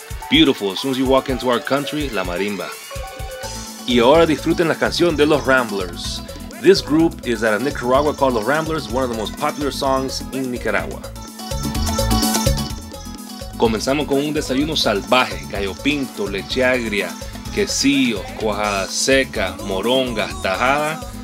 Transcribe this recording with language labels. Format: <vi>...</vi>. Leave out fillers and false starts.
<en>Beautiful, as soon as you walk into our country, la marimba.</en> <es>Y ahora disfruten la canción de los Ramblers.</es> <en>This group is out of Nicaragua called the Ramblers, one of the most popular songs in Nicaragua.</en> <es>Comenzamos con un desayuno salvaje, gallo pinto, leche agria, quesillo, cuajada seca, moronga, tajada.</es>